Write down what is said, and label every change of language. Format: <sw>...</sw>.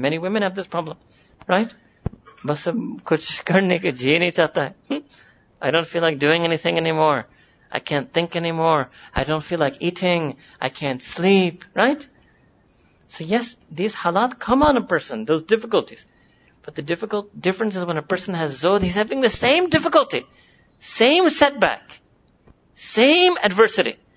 <en>Many women have this problem, right?</en> <ur>بس اب کچھ کرنے کی جی نہیں چاہتا.</ur> <en>I don't feel like doing anything anymore. I can't think anymore. I don't feel like eating. I can't sleep, right? So yes, these halat come on a person, those difficulties. But the difficult difference is when a person has zuhd, he's having the same difficulty, same setback, same adversity.</en>